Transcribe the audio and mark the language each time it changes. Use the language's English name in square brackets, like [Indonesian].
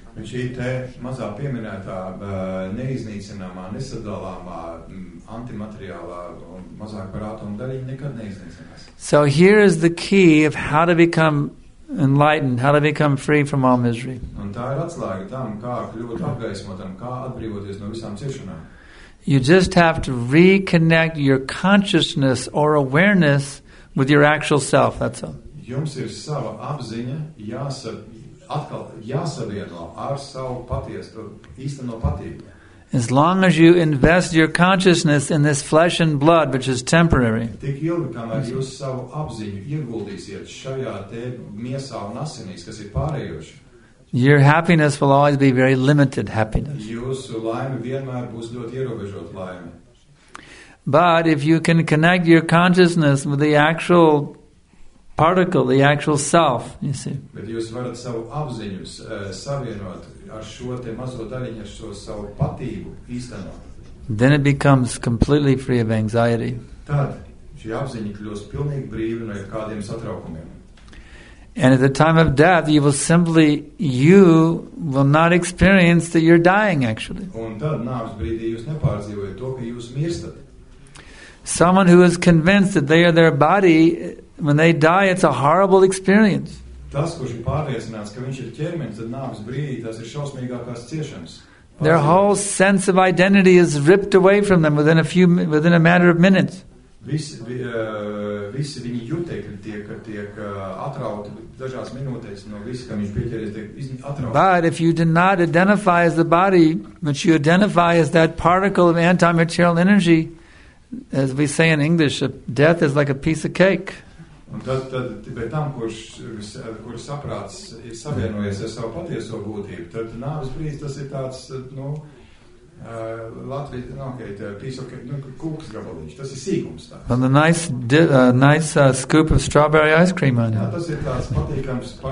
[Latvian] Šī te mazā pieminētā, neiznīcināmā, nesadalāmā, antimateriālā, mazāk par atomu daļiņu nekad neiznīcinās. [English] So here is the key of how to become enlightened, how to become free from all misery. [Latvian] Un tā ir atslēga tam, kā kļūt apgaismotam, kā atbrīvoties no visām ciešanām. [English] You just have to reconnect your consciousness or awareness with your actual self, that's all. [Latvian] Jums ir sava apziņa, atkal jāsavieno ar savu patiesu, īsteno patību. [English] As long as you invest your consciousness in this flesh and blood, which is temporary, [Latvian] tik ilgi, kamēr jūs savu apziņu ieguldīsiet šajā te miesā un asinīs, kas ir pārējoši, [English] your happiness will always be very limited happiness. [Latvian] Jūsu laime vienmēr būs ļoti ierobežot laime. [English] But if you can connect your consciousness with the actual particle, the actual self, you see. [Latvian] Bet jūs varat savu apziņu savienot ar šo te mazo daļiņu, ar šo savu patību īstenot. [English] Then it becomes completely free of anxiety. [Latvian] Tad šī apziņa kļūst pilnīgi brīva no jebkādiem satraukumiem. [English] And at the time of death, you will not experience that you're dying, actually. [Latvian] Un tad nāves brīdī jūs nepārdzīvojat to, ka jūs mirstat. [English] Someone who is convinced that they are their body, when they die, it's a horrible experience. [Latvian] Tas, kurš ir pārliecināts, ka viņš ir ķermenis, tad nāves brīdī tas ir šausmīgākās ciešanas. [English] Their whole sense of identity is ripped away from them within a matter of minutes. [Latvian] Visi viņi jūtē, ka tiek atrauti dažās minūtēs no visa, kam viņš pieķeries, tiek atrauti. [English] But if you do not identify as the body, but you identify as that particle of antimaterial energy, as we say in English, death is like a piece of cake. [Latvian] Un tad bet tam, kurš saprāts ir savienojies ar savu patieso būtību, tad nāves brīdis tas ir tāds, nu, [English] and the nice scoop of strawberry ice cream on it.